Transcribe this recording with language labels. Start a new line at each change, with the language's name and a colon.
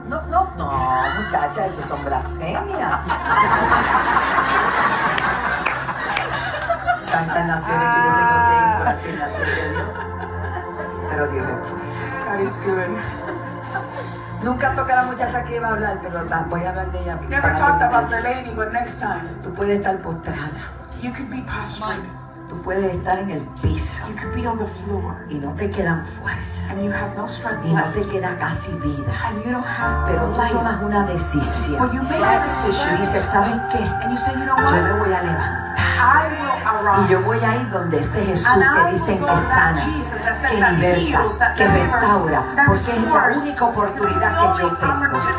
Spanish: No, muchacha, eso son blasfemias. Tantas naciones que yo tengo que ir por así naciones. Pero Dios es bueno.
English: God is good.
Spanish: Nunca toqué a la muchacha que iba a hablar, pero voy a hablar de ella.
English: Never talked about the lady, but next time.
Spanish: Tú puedes estar postrada.
English: You can be postrada.
Spanish: Tú puedes estar en el piso.
English: You could be on the floor.
Spanish: Y no te quedan fuerzas.
English: And you have no strength.
Spanish: Y no te queda casi vida.
English: And you don't have.
Spanish: Pero tú tomas una decisión.
English: When you make a decision.
Spanish: Y dices, ¿saben qué?
English: And you say, you know what?
Spanish: Yo me voy a levantar.
English: I will arise.
Spanish: Y yo voy a ir donde ese Jesús que dicen que sana, que liberta, que restaura, porque es la única oportunidad que yo tengo.